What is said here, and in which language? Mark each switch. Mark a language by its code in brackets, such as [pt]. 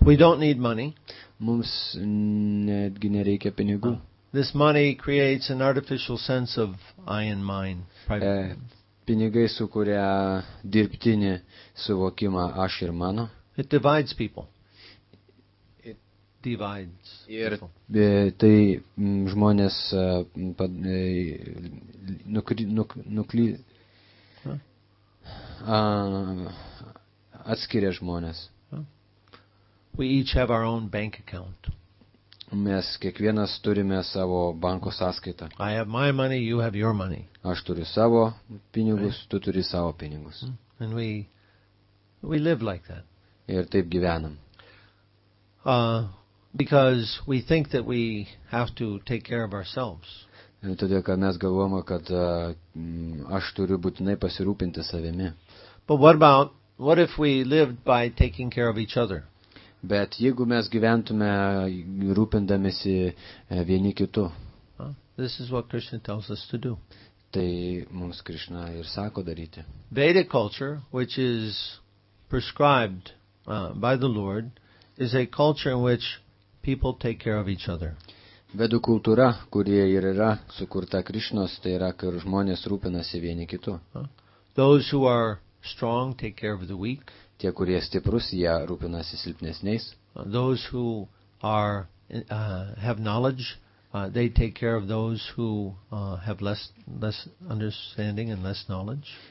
[en] We don't need money. [lt] Mums netgi nereikia pinigų. [en] This money creates an artificial sense of I and mine. [lt] Pinigai sukuria dirbtinį suvokimą aš ir mano. [en] It divides people. Divides. [lt] Ir tai žmonės atskiria žmonės. [en] We each have our own bank account. [lt] Mes kiekvienas turime savo banko sąskaitą. [en] I have my money, you have your money. [lt] Aš turiu savo pinigus, tu turi savo pinigus. [en] And we live like that. [lt] Ir taip gyvenam. [en] Because we think that we have to take care of ourselves. [lt] Todėl, kad mes galvojame, kad aš turiu būtinai pasirūpinti savimi. [en] But what if we lived by taking care of each other? [lt] Bet jeigu mes gyventume rūpindamiesi vieni kitu. [en] This is what Krishna tells us to do. [lt] Tai mums Krishna ir sako daryti. [en] Vedic culture, which is prescribed by the Lord, is a culture in which people take care of each other. [lt] Vedų kultūra, kuri ir yra sukurta Krišnos, tai yra, kur žmonės rūpinasi vieni kitu. [en] Those who are strong take care of the weak. [lt] Tie, kurie stiprus, jie rūpinasi silpnesniais. [en] Those who are have knowledge, they take care of those who have less understanding and less knowledge.